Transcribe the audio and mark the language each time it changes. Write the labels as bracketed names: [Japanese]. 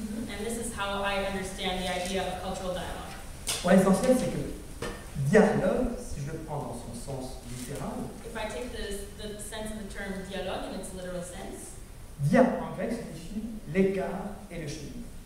[English] And this is how I understand the idea of cultural dialogue. [French] L'essentiel, c'est que dialogue, si je le prends dans son sens littéral. [English] If I take the sense of the term dialogue in its literal sense. [French] Dia en grec signifie l'écart et le chemin.